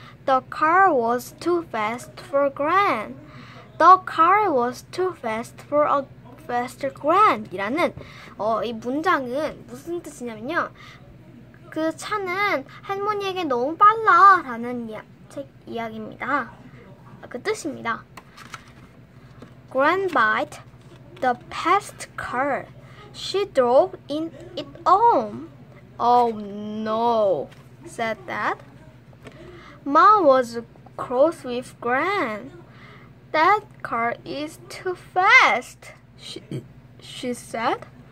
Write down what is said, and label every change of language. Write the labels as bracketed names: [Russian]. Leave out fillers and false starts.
[English] The car was too fast for Gran. The car was too fast for a faster Gran. [Korean] 이라는 이 문장은 무슨 뜻이냐면요. 그 차는 할머니에게 너무 빨라 라는 책 이야기입니다. 그 뜻입니다. [English] Gran bought the fast car. She drove in it home. Oh no, said Dad. Mom was cross with Gran. That car is too fast, she said.